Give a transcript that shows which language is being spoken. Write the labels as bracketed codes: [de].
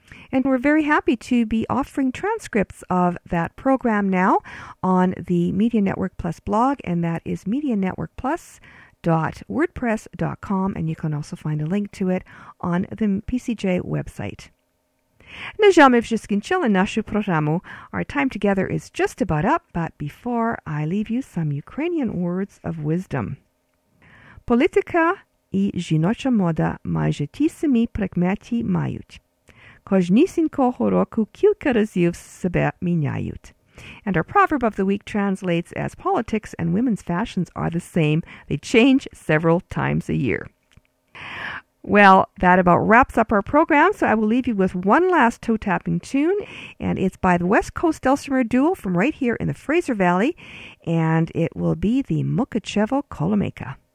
[en] And we're very happy to be offering transcripts of that program now on the Media Network Plus blog, and that is medianetworkplus.wordpress.com, and you can also find a link to it on the PCJ website. Our time together is just about up, but before I leave you some Ukrainian words of wisdom. [uk] Політика і жіноча мода майже ті самі прикметі мають. Кожнісінького року кілька разів себе міняють. [en] And our proverb of the week translates as politics and women's fashions are the same. They change several times a year. Well, that about wraps up our program, so I will leave you with one last toe-tapping tune, and it's by the West Coast Dulcimer Duo from right here in the Fraser Valley, and it will be the Mukachevo Kolomeka.